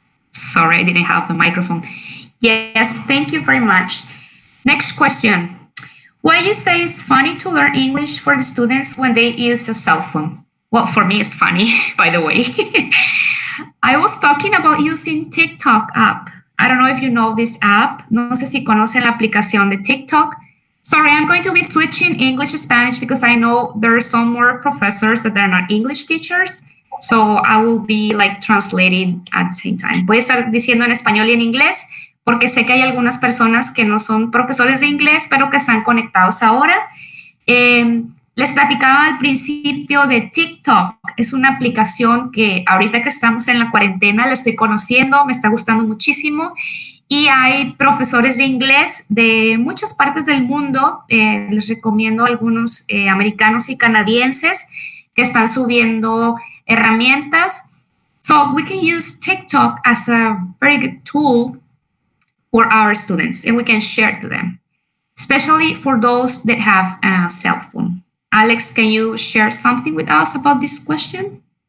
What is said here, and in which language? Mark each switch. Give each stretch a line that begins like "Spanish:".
English: Sorry, I didn't have the microphone. Yes, thank you very much. Next question. Why you say it's funny to learn English for the students when they use a cell phone? Well, for me, it's funny, by the way. I was talking about using TikTok app. I don't know if you know this app.
Spanish: No sé si conocen la aplicación de TikTok.
English: Sorry, I'm going to be switching English to Spanish because I know there are some more professors that are not English teachers. So I will be like translating at the same time.
Spanish: Voy a estar diciendo en español y en inglés porque sé que hay algunas personas que no son profesores de inglés, pero que están conectados ahora. Les platicaba al principio de TikTok. Es una aplicación que ahorita que estamos en la cuarentena la estoy conociendo, me está gustando muchísimo. Y hay profesores de inglés de muchas partes del mundo. Les recomiendo algunos americanos y canadienses que están subiendo herramientas.
English: So we can use TikTok as a very good tool for our students and we can share it to them, especially for those that have a cell phone. Alex, can you share something with us about this question?